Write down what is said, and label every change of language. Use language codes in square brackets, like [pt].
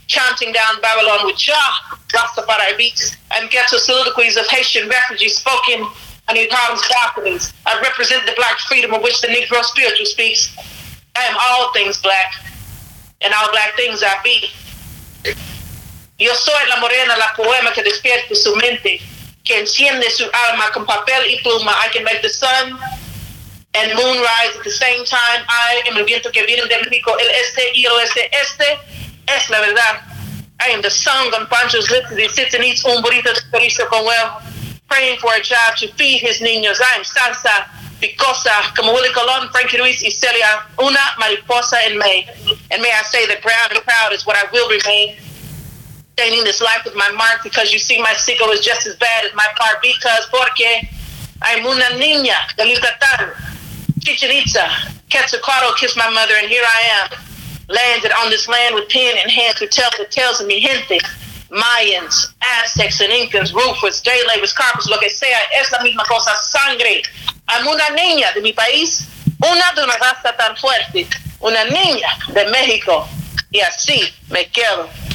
[en] Chanting down Babylon with Jah, Rastafari beats. I'm ghetto soliloquies of Haitian refugees spoken on your problems balconies. I represent the black freedom of which the Negro spiritual speaks. I am all things black, and all black things I be. [es] Yo soy la morena, la poema que despierta su mente, que enciende su alma con papel y pluma. [en] I can make the sun and moon rise at the same time. I am [es] el viento que viene de México, el este y el oeste. Este es la verdad. [en] I am the sun on Pancho's lips as he sits and eats [es] un burrito de chorizo con huevo, [en] praying for a job to feed his niños. I am salsa, [es] picosa, como Willie Colón, Frankie Ruiz y Celia, una mariposa [en] in May. And may I say that brown and proud is what I will remain. Staining this life with my mark because you see my sickle is just as bad as my part because [es] porque [en] I'm [es] una niña de Yucatán, [en] Chichen Itza, Quetzalcoatl kissed my mother and here I am, landed on this land with pen in hand to tell the tales of [es] mi gente, [en] Mayans, Aztecs and Incans, roofers, day laborers, carpenters, [es] lo que sea, es la misma cosa, sangre. [en] I'm [es] una niña de mi país, una de una raza tan fuerte, una niña de México, y así me quedo.